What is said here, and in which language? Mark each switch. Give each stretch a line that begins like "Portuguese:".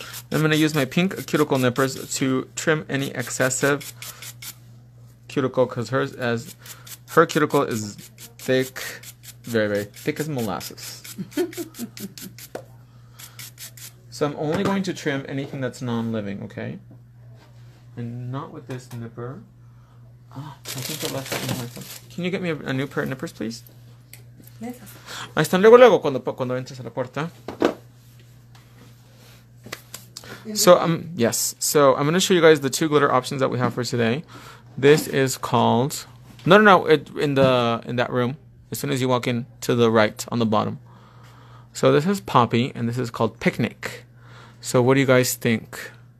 English: I'm going to use my pink cuticle nippers to trim any excessive cuticle, because her cuticle is thick, very, very thick as molasses. So I'm only going to trim anything that's non-living, okay? And not with this nipper. I think I left that in my phone. Can you get me a new pair of nippers, please?
Spanish: Ahí están luego, luego, cuando entres a la puerta.
English: So, yes. So, I'm going to show you guys the two glitter options that we have for today. This is called... No. In that room. As soon as you walk in, to the right, on the bottom. So, this is Poppy, and this is called Picnic. So, what do you guys think?